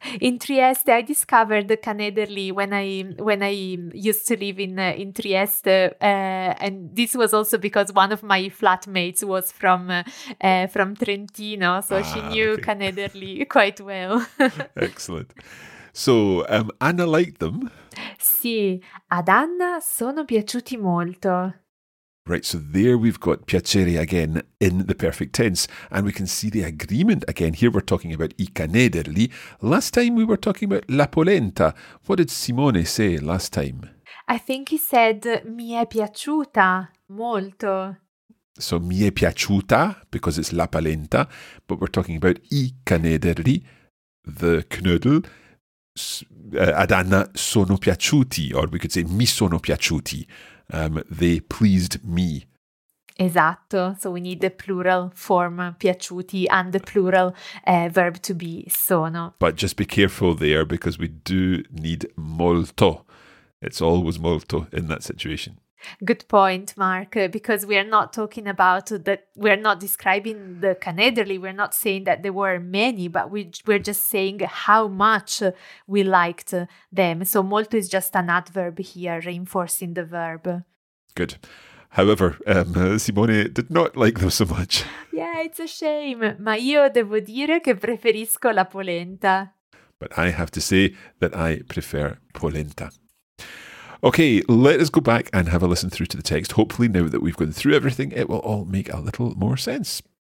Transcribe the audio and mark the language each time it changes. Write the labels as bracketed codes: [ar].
[en] In Trieste, I discovered the canederli when I used to live in Trieste, and this was also because one of my flatmates was from Trentino, so she knew canederli quite well. Excellent. So, Anna liked them. [it] Sì, ad Anna sono piaciuti molto. [en] Right, so there we've got piacere again in the perfect tense, and we can see the agreement again. Here we're talking about i canederli. Last time we were talking about la polenta. What did Simone say last time? I think he said [it] mi è piaciuta molto. [en] So [it] mi è piaciuta, [en] because it's la polenta, but we're talking about i canederli, the knödel. [it] Ad Anna sono piaciuti, [en] or we could say [it] mi sono piaciuti. [en] They pleased me. Esatto. So we need the plural form piaciuti and the plural verb to be sono. But just be careful there, because we do need molto. It's always molto in that situation. Good point, Mark, because we are not talking about that. We're not describing the canederli. We're not saying that there were many, but we're just saying how much we liked them. So molto is just an adverb here, reinforcing the verb. Good. However, Simone did not like them so much. Yeah, it's a shame. [it] Ma io devo dire che preferisco la polenta. [en] But I have to say that I prefer polenta. Okay, let us go back and have a listen through to the text. Hopefully now that we've gone through everything, it will all make a little more sense.